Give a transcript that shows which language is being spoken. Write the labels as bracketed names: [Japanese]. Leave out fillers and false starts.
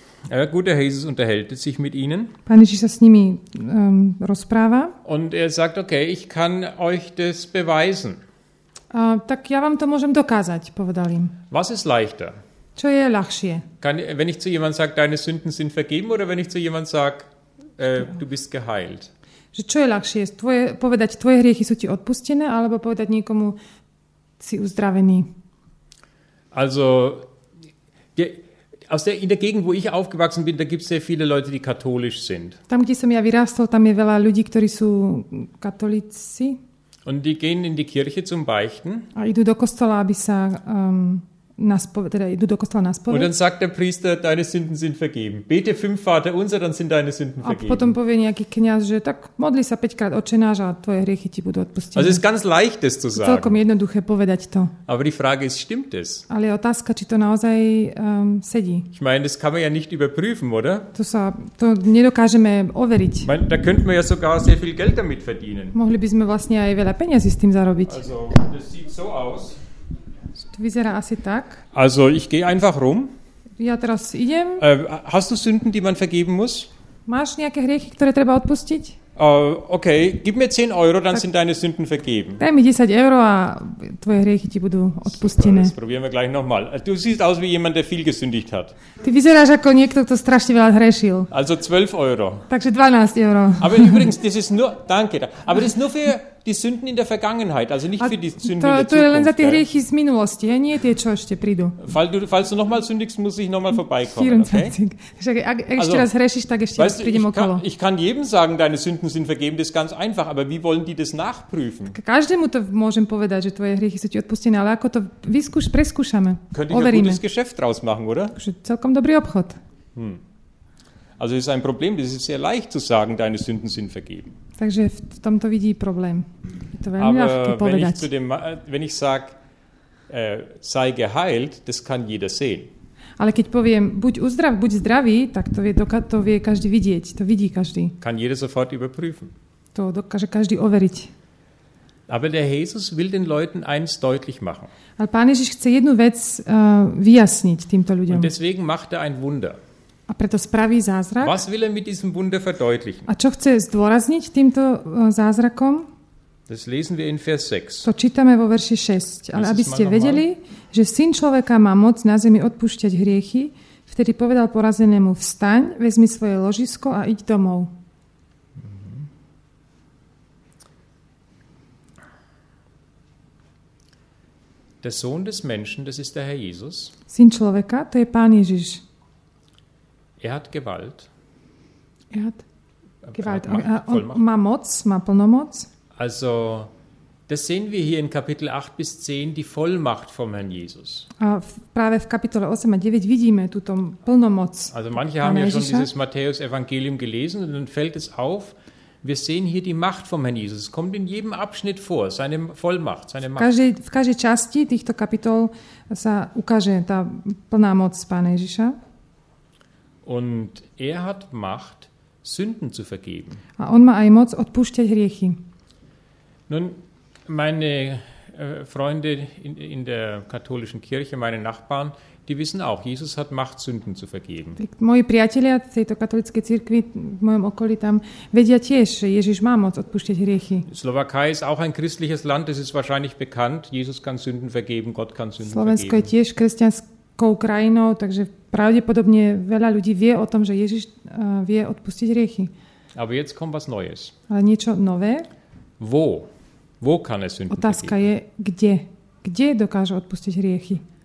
[German] Ja, gut, der Jesus unterhält sich mit ihnen. [Slovak] Pán Ježiš sa s nimi rozpráva. [German] Und er sagt, okay, ich kann euch das beweisen. [Slovak] Tak ja vám to môžem dokázať, povedal im. [German] Was ist leichter? [Slovak] Čo je ľahšie? [German] Wenn ich zu jemand sag, deine Sünden sind vergeben, oder wenn ich zu jemand sag, du bist geheilt? [Slovak] Že čo je ľahšie? Povedať, tvoje hriechy sú ti odpustené, alebo povedať niekomu, si uzdravený? [German] Also, in der Gegend, wo ich aufgewachsen bin, da gibt es sehr viele Leute, die katholisch sind. [Slovak] Tam, kde som ja vyrástol, tam je veľa ľudí, ktorí sú katolíci. [German] Und die gehen in die Kirche zum Beichten. [Slovak] A idú do kostola, aby sa idú do kostola na spoveď. [German] Und dann sagt der Priester, deine Sünden sind vergeben. Bete 5 Vater unser, dann sind deine Sünden vergeben. [Slovak] A potom povie nejaký kňaz, že tak modli sa 5-krát Otčenáš a tvoje hriechy ti budú odpustené. [German] Also ist ganz leicht es zu sagen. [Slovak] Celkom jednoduché povedať to. [German] Aber die Frage ist, stimmt es? [Slovak] Ale otázka, či to naozaj sedí. [German] Ich meine, das kann man ja nicht überprüfen, oder? [Slovak] To nedokážeme overiť. [German] Da könnten wir ja sogar sehr viel Geld damit verdienen. [Slovak] Mohli by sme vlastne aj veľa peňazí s tým zarobiť. [German] Also, das sieht so aus. [Slovak] Vyzerá asi tak. [German] Also, ich gehe einfach rum. [Slovak] Ja teraz idem. [German] Hast du Sünden, die man vergeben muss? [Slovak] Máš nejaké hriechy, ktoré treba odpustiť? [German] Okay, gib mir 10 Euro, dann sind deine Sünden vergeben. [Slovak] Daj mi 10 Euro a tvoje hriechy ti budú odpustené. [German] Super, das probieren wir gleich nochmal. Du siehst aus wie jemand, der viel gesündigt hat. [Slovak] Ty vyzeráš ako niekto, kto strašne veľa hrešil. [German] Also 12 Euro. [Slovak] Takže 12 Euro. [German] Aber übrigens, das ist nur... Danke. Aber das ist nur für... Die Sünden in der Vergangenheit, also nicht für die Sünden [Slovak] to, [German] in der Zukunft. [Slovak] To je len za tie hriechy z minulosti, nie tie, čo ešte prídu. [German] Falls du nochmal sündigst, muss ich nochmal vorbeikommen, okay? [Slovak] 24. Ak ešte raz hrešiš, tak ešte raz prídem okolo. [German] Ich kann jedem sagen, deine Sünden sind vergeben, das ist ganz einfach, aber wie wollen die das nachprüfen? [Slovak] Každému to môžem povedať, že tvoje hriechy sú ti odpustené, ale ako to preskúšame, overíme. [German] Könnte ich ein gutes Geschäft draus machen, oder? [Slovak] Celkom dobrý obchod. [German] Also es ist ein Problem, das ist sehr leicht zu sagen, deine Sünden sind vergeben. [Slovak] Takže v tomto vidí problém. Je to veľmi ľahké povedať. [German] Wenn ich sag, sei geheilt, das kann jeder sehen. [Slovak] Ale keď poviem, buď zdravý, tak to vie každý vidieť. To vidí každý. [German] Kann jeder sofort überprüfen. [Slovak] To dokáže každý overiť. [German] Aber der Jesus will den Leuten eins deutlich machen. [Slovak] Ale Pán Ježiš chce jednu vec vyjasniť týmto ľuďom. [German] Und deswegen macht ein Wunder. [Slovak] A preto spraví zázrak. [German] Was will er mit diesem Wunder verdeutlichen? [Slovak] A čo chce zdôrazniť týmto zázrakom? [German] Das lesen wir in Vers 6. [Slovak] To čítame vo verši 6. Ale aby ste vedeli, že syn človeka má moc na zemi odpúšťať hriechy, vtedy povedal porazenému, vstaň, vezmi svoje ložisko a iď domov. [German] Der Sohn des Menschen, das ist der Herr Jesus. [Slovak] Syn človeka, to je Pán Ježiš. [German] Er hat Gewalt. Er hat Gewalt. [Slovak] Má moc, má plnomoc. [German] Also, das sehen wir hier in Kapitel 8 bis 10, die Vollmacht vom Herrn Jesus. [Slovak] A práve v kapitole 8 a 9 vidíme túto plnomoc. [German] Also, manche haben ja schon dieses Matthäus-Evangelium gelesen und dann fällt es auf, Wir sehen hier die Macht vom Herrn Jesus. Es kommt in jedem Abschnitt vor, seine Vollmacht, seine Macht. [Slovak] V každej časti týchto kapitol sa ukáže tá plná moc Pána Ježiša. [German] Und er hat Macht, Sünden zu vergeben. [Slovak] A on má aj moc odpúšťať hriechy. [German] Nun, meine Freunde in der katholischen Kirche, meine Nachbarn, die wissen auch, Jesus hat Macht, Sünden zu vergeben. [Slovak] Moji priatelia z tejto katolíckej cirkvi v mojom okolí tam vedia tiež, že Ježiš má moc odpúšťať hriechy. [German] Slowakei ist auch ein christliches Land, das ist wahrscheinlich bekannt. Jesus kann Sünden vergeben, Gott kann Sünden vergeben. [Slovak] Slovensko je tiež kresťanskou krajinou, takže pravdepodobne veľa ľudí vie o tom, že Ježiš vie odpustiť hriechy. [German] Aber jetzt kommt was Neues. [Slovak] Ale niečo nové? [German] Wo? Wo kann er Sünden [Slovak] Otázka [German] vergeben? [Slovak] Je, kde? Kde dokáže odpustiť hriechy?